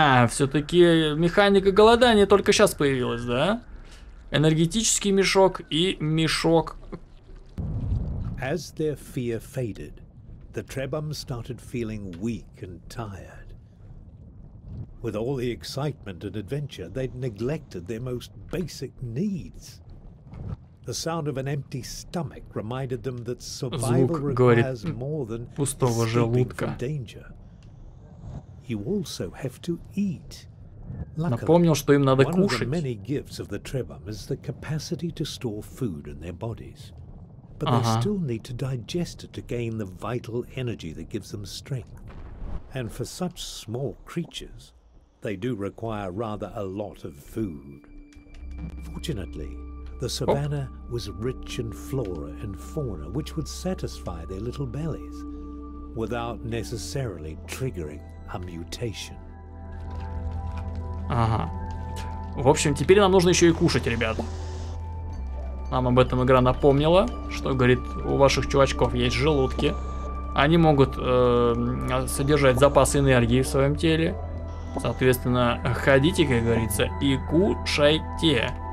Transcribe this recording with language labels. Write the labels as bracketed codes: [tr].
[ru] Все-таки механика голодания только сейчас появилась, да? Энергетический мешок и мешок. [en] As their fear faded, the Trebums started feeling weak and tired. With all the excitement and adventure, they'd neglected their most basic needs. The sound of an empty stomach reminded them that survival requires more than escaping from danger. You also have to eat. [ru] Напомнил, что им надо кушать. [en] One of the many gifts of the Trebum is the capacity to store food in their bodies. But they still need to digest it to gain the vital energy that gives them strength. And for such small creatures, they do require rather a lot of food. Fortunately, the savanna was rich in flora and fauna, which would satisfy their little bellies without necessarily triggering a mutation. [ru] Ага. В общем, теперь нам нужно еще и кушать, ребят. Нам об этом игра напомнила, что, говорит, у ваших чувачков есть желудки. Они могут содержать запасы энергии в своем теле. Соответственно, ходите, как говорится, и кушайте.